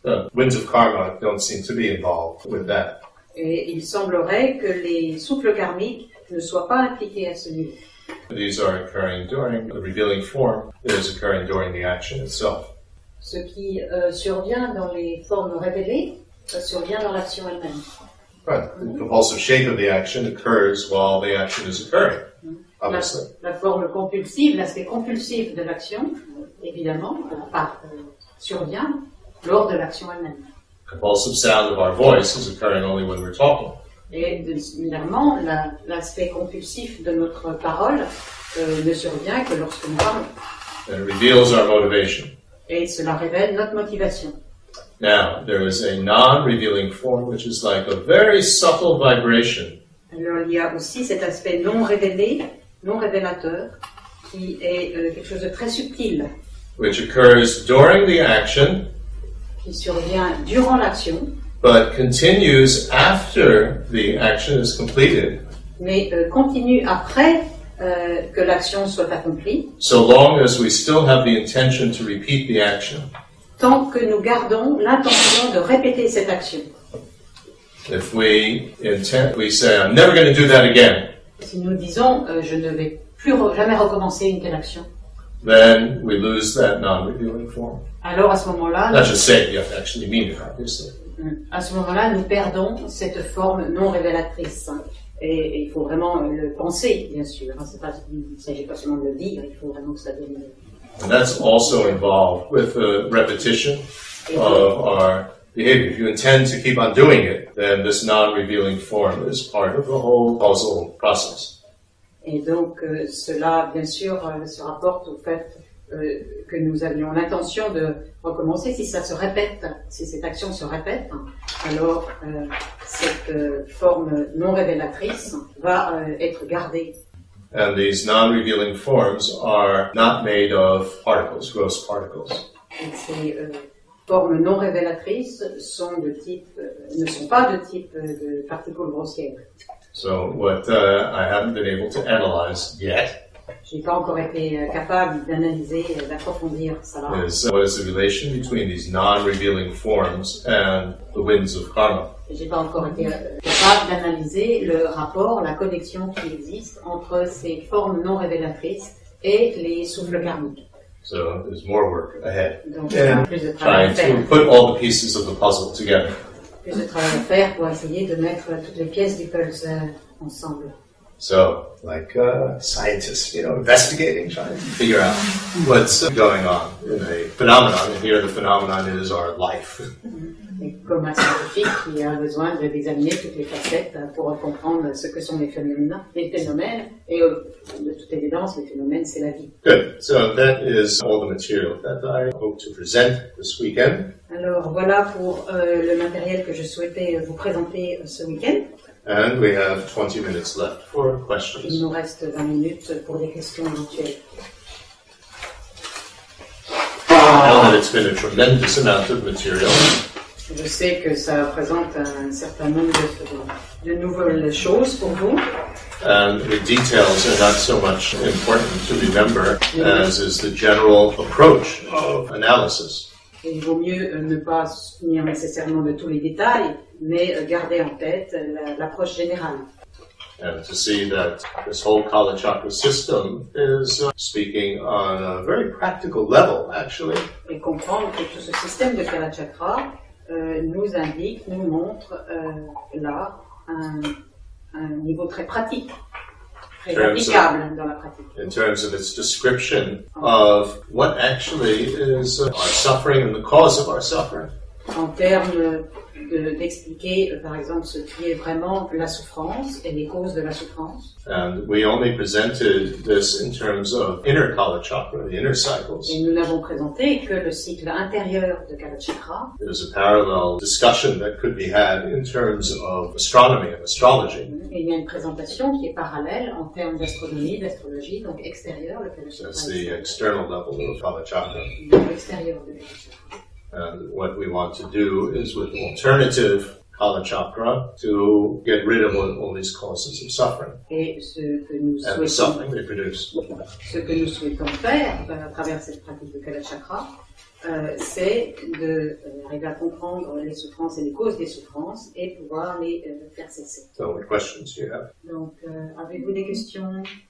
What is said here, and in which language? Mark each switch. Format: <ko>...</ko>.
<en>The winds of karma don't seem to be involved with that.</en> <fr>Et il semblerait que les souffles karmiques ne soient pas impliqués à ce niveau.</fr> <en>These are occurring during the revealing form. It is occurring during the action itself.</en> <fr>Ce qui survient dans les formes révélées survient dans l'action elle-même.</fr> <en>Right. The compulsive shape of the action occurs while the action is occurring. obviously.</en> <fr>La forme compulsive, l'aspect compulsif de l'action, évidemment, survient lors de l'action elle-même.</fr> <en>Compulsive sound of our voice is occurring only when we're talking.</en> <fr>Et de, similairement, l'aspect compulsif de notre parole ne survient que lorsque nous parlons.</fr> <en>And it reveals our motivation.</en> <fr>Et cela révèle notre motivation.</fr> <en>Now, there is a non-revealing form which is like a very subtle vibration.</en> <fr>Alors, il y a aussi cet aspect non révélé, non révélateur, qui est quelque chose de très subtil.</fr> <en>Which occurs during the action.</en> <fr>Qui survient durant l'action.</fr> <en>But continues after the action is completed.</en> <fr>Mais continue après que l'action soit accomplie.</fr> <en>So long as we still have the intention to repeat the action.</en> <fr>Tant que nous gardons l'intention de répéter cette action.</fr> <en>If we intend, we say, I'm never going to do that again.</en> <fr>Si nous disons, je ne vais plus jamais recommencer une telle action.</fr> <en>Then we lose that non-revealing form.</en> <fr>Alors à ce moment-là.</fr> <en>Not just say it, you have to actually mean it, obviously.</en> <fr>À ce moment-là, nous perdons cette forme non révélatrice. Et il faut vraiment le penser, bien sûr. Il ne s'agit pas seulement de le dire, il faut vraiment que ça devienne.</fr> <en>And that's also involved with the repetition of our behavior. If you intend to keep on doing it, then this non-revealing form is part of the whole causal process.</en> <fr>Et donc, cela, bien sûr, se rapporte au fait que nous avions l'intention de recommencer, si ça se répète, si cette action se répète, alors cette forme non révélatrice va être gardée.</fr> <en>And these non-revealing forms are not made of particles, gross particles.</en> <fr>Et ces formes non révélatrices sont de type, ne sont pas de type de particules grossières.</fr> <en>So what I haven't been able to analyze yet.</en> <fr>Je n'ai pas encore été capable d'analyser, d'approfondir cela.</fr> <en>What is the relation between these non-revealing forms and the winds of karma?</en> <fr>Je n'ai pas encore été capable d'analyser le rapport, la connexion qui existe entre ces formes non révélatrices et les souffles karmiques.</fr> <en>So there's more work ahead.</en> <fr>Donc, il y a plus de travail à faire.</fr> <en>Trying to put all the pieces of the puzzle together.</en> <fr>Plus de travail à faire pour essayer de mettre toutes les pièces du puzzle ensemble.</fr> <en>So, like scientists, you know, investigating, trying to figure out what's going on in a phenomenon. And here the phenomenon is our life.</en> <fr>Comme un scientifique qui a besoin de examiner toutes les facettes pour comprendre ce que sont les phénomènes, et de toute évidence, les phénomènes, c'est la vie.</fr> <en>Good. So that is all the material that I hope to present this weekend.</en> <fr>Alors voilà pour le matériel que je souhaitais vous présenter ce weekend.</fr> <en>And we have 20 minutes left for questions.</en> <fr>Il nous reste 20 minutes pour des questions éventuelles.</fr> <en>Helen, it's been a tremendous amount of material.</en> <fr>Je sais que ça présente un certain nombre de nouvelles choses pour vous.</fr> <en>And the details are not so much important to remember as is the general approach of analysis.</en> <fr>Il vaut mieux ne pas se souvenir nécessairement de tous les détails, mais garder en tête l'approche générale.</fr> <en>And to see that this whole Kalachakra system is speaking on a very practical level, actually.</en> <fr>Et comprendre que tout ce système de Kalachakra nous indique, nous montre là un niveau très pratique.</fr> <en>In terms of its description of what actually is our suffering and the cause of our suffering.</en> <fr>En termes d'expliquer, par exemple, ce qui est vraiment la souffrance et les causes de la souffrance.</fr> <en>And we only presented this in terms of inner Kalachakra, the inner cycles.</en> <fr>Et nous n'avons présenté que le cycle intérieur de Kalachakra.</fr> <en>There's a parallel discussion that could be had in terms of astronomy and astrology.</en> <fr>Et il y a une présentation qui est parallèle en termes d'astronomie, d'astrologie, donc extérieur, le Kalachakra.</fr> <en>That's the external level of Kalachakra.</en> <fr>L'extérieur de Kalachakra.</fr> <en>And what we want to do is with alternative Kalachakra to get rid of all these causes of suffering.</en> <fr>Et ce que nous</fr> <en>and the suffering they produce.</en> <fr>Ce que nous souhaitons faire à travers cette pratique de Kalachakra, c'est de arriver à comprendre les souffrances et les causes des souffrances et pouvoir les faire cesser.</fr> <en>So what questions do you have?</en> <fr>Donc, avez-vous des questions?</fr>